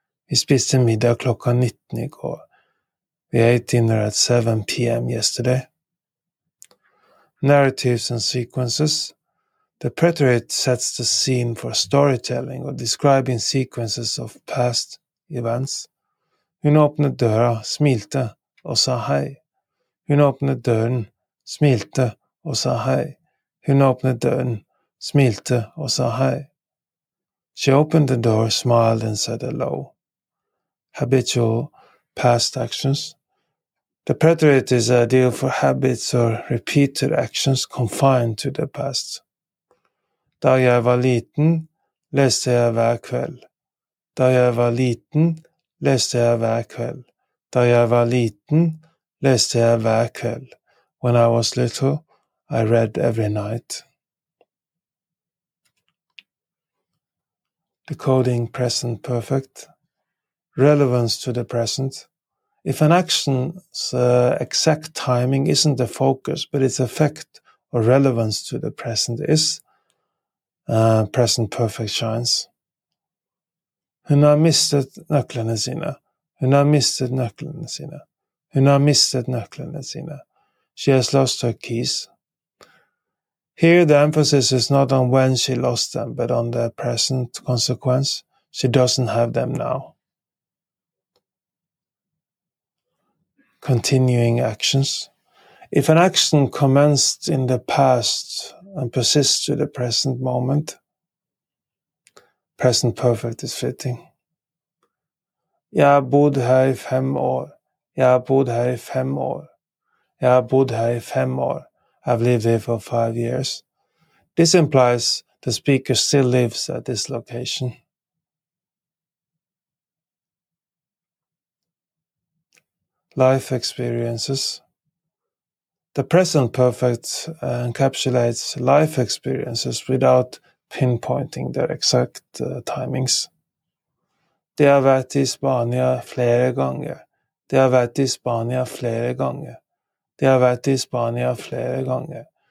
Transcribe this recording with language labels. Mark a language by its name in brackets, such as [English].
[Norwegian] Vi spiste middag klokka 19 I går. [English] We ate dinner at 7 p.m. yesterday. Narratives and sequences. The preterite sets the scene for storytelling or describing sequences of past events. [Norwegian] Hun åpnet døra, smilte og sa hei. Hun åpnet døren, smilte og sa hei. Hun åpnet døren, smilte og sa hei. [English] She opened the door, smiled and said hello. Habitual past actions. The preterite is ideal for habits or repeated actions confined to the past. [Norwegian] Da jeg var liten, leste jeg hver kveld. Da jeg var liten, leste jeg hver kveld. Da jeg var liten, leste jeg hver kveld. [English] When I was little, I read every night. Decoding present perfect. Relevance to the present. If an action's exact timing isn't the focus, but its effect or relevance to the present is, present perfect shines. [Norwegian] Hun har mistet nøklene sine. Hun har mistet nøklene sine. Hun har mistet nøklene sine. [English] She has lost her keys. Here the emphasis is not on when she lost them, but on the present consequence. She doesn't have them now. Continuing actions. If an action commenced in the past and persists to the present moment, present perfect is fitting. [Norwegian] Jeg har bodd her I fem år. Jeg har bodd her I fem år. Jeg har bodd her I fem år. [English] I've lived here for 5 years. This implies the speaker still lives at this location. life experiences. The present perfect encapsulates life experiences without pinpointing their exact timings. [Norwegian] De har vært I Spania flere ganger. De har vært I Spania flere ganger. De har vært I Spania flere ganger.